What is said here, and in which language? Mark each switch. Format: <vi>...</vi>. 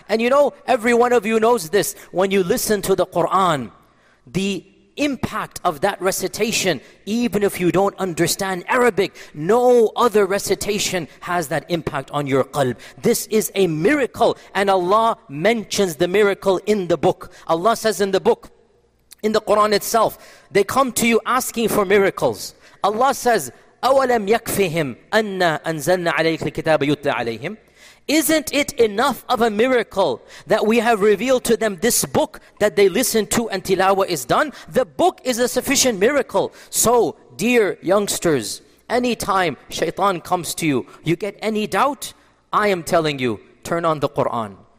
<en>And you know, every one of you knows this. When you listen to the Quran, the impact of that recitation, even if you don't understand Arabic, no other recitation has that impact on your qalb. This is a miracle, and Allah mentions the miracle in the book. Allah says in the book, in the Quran itself, they come to you asking for miracles. Allah says,</en> <ar>أَوَلَمْ يَكْفِهِمْ أَنَّا أَنزَلْنَا عَلَيْكَ الْكِتَابَ يُتْلَى عَلَيْهِمْ.</ar> <en>Isn't it enough of a miracle that we have revealed to them this book that they listen to and tilawa is done? The book is a sufficient miracle. So, dear youngsters, anytime shaitan comes to you, you get any doubt, I am telling you, turn on the Quran.</en>